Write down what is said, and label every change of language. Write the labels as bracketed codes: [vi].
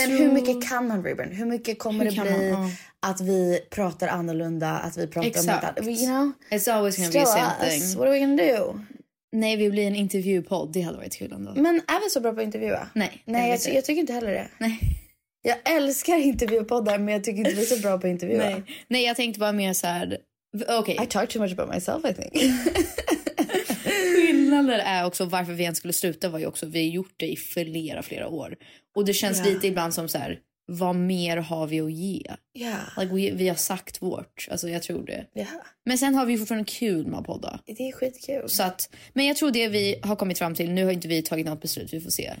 [sv] hur mycket kan man rebrand? Hur mycket kommer det bli att vi pratar annorlunda, att vi pratar om det? [en] You know? It's always gonna be the same thing. What are we gonna do? [sv] Nej, vi blir en intervjupodd. Det hade varit kul ändå. Men är vi så bra på att intervjua? Nej. Nej, jag tycker inte heller det. Nej. Jag älskar intervjupoddar, men jag tycker inte vi är så bra på att intervjua. Nej. Nej, jag tänkte bara mer så här... Okej. [en] Okay. I talk too much about myself, I think. [sv] Skillnad. skillnaden är också varför vi ens skulle sluta var ju också vi har gjort det i flera år. Och det känns lite ibland som så här, vad mer har vi att ge? Like vi har sagt vårt, alltså jag tror det. Men sen har vi fortfarande kul med podda. Det är skitkul. Så att, men jag tror det vi har kommit fram till, nu har inte vi tagit något beslut, vi får se.